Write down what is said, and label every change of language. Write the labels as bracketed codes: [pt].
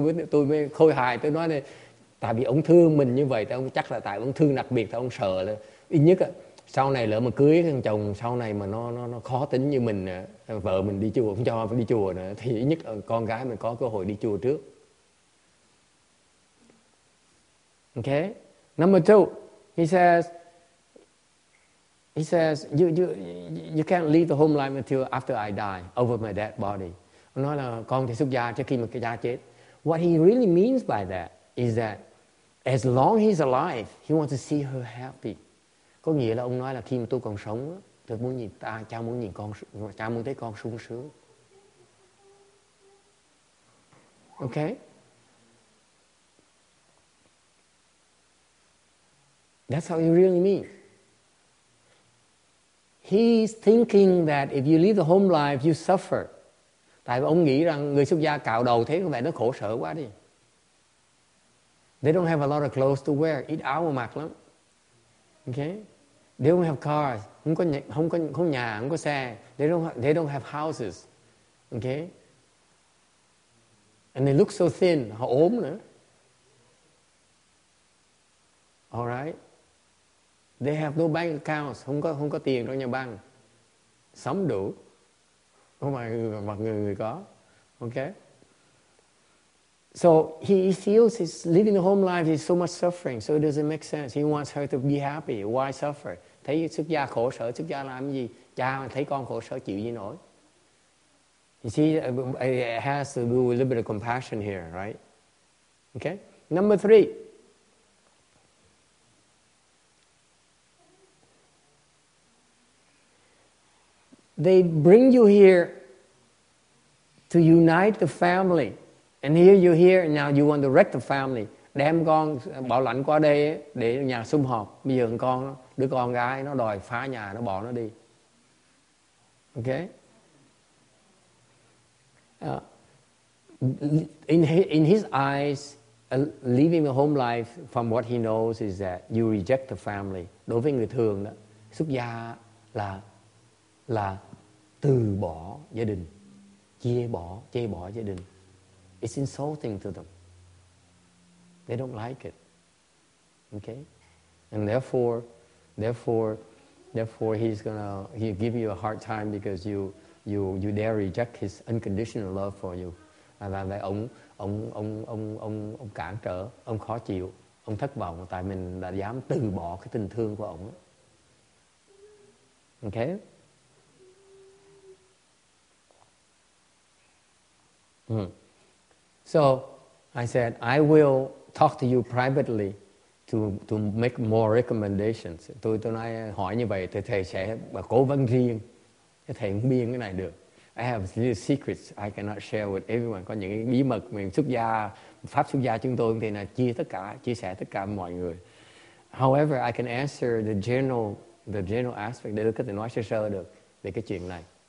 [vi] Tôi mới khôi hài, tôi nói này, tại vì ông thương mình như vậy, ông chắc là tại ông thương đặc biệt, ông sợ là ít nhất sau này lỡ mà cưới thằng chồng sau này mà nó khó tính như mình, vợ mình đi chùa không cho đi chùa nữa, thì ít nhất con gái mình có cơ hội đi chùa trước. [en] Okay, number two. He says, you can't leave the home life until after I die, over my dead body. [vi] Ông nói là con thì xuất gia trước khi mà cái cha chết. [en] What he really means by that is that as long he's alive, he wants to see her happy. [vi] Có nghĩa là ông nói là khi mà tôi còn sống, tôi muốn nhìn ta, cha muốn nhìn con, cha muốn thấy con sung sướng. [en] Okay. That's how you really mean. He's thinking that if you leave the home life, you suffer. [vi] Tại vì ông nghĩ rằng người xuất gia cạo đầu thế có vẻ nó khổ sở quá đi. [en] They don't have a lot of clothes to wear. [vi] Ít áo mà mặc lắm. Okay? [en] They don't have cars. [vi] Không có nhà, không có xe. [en] They don't have houses. [vi] Okay? [en] And they look so thin. [vi] Họ ốm nữa. [en] All right? They have no bank accounts, [vi] không có tiền trong nhà băng. Sống đủ. Không phải người có. Okay? [en] So he feels his living the home life is so much suffering, so it doesn't make sense. He wants her to be happy. Why suffer? [vi] Thấy xuất gia khổ sở, xuất gia làm gì? Cha thấy con khổ sở chịu gì nổi. [en] You see, it has to do with a little bit of compassion here, right? Okay? Number three. They bring you here to unite the family. And here you're here, and now you want to wreck the family. [vi] Đem con bảo lãnh qua đây để nhà sum họp. Bây giờ con, đứa con gái nó đòi phá nhà, nó bỏ nó đi. [en] Okay? In his eyes, leaving the home life, from what he knows, is that you reject the family. [vi] Đối với người thường đó, xuất gia là từ bỏ gia đình, chê bỏ gia đình. [en] It's insulting to them. They don't like it. Okay? And therefore he'll give you a hard time because you dare reject his unconditional love for you. And then [vi] ông cản trở, ông khó chịu, ông thất vọng tại mình đã dám từ bỏ cái tình thương của ông. [en] Okay? So I said, I will talk to you privately to make more recommendations. [vi] Tôi nói hỏi như vậy, thầy sẽ cố vấn riêng. Thầy không biết cái này được. [en] I have little secrets I cannot share with everyone. [vi] Có những bí mật mình xuất gia, pháp xuất gia chúng tôi thì là chia sẻ tất cả mọi người. [en] However, I can answer the general aspect. [vi] Để có thể nói sơ sơ được về cái chuyện này.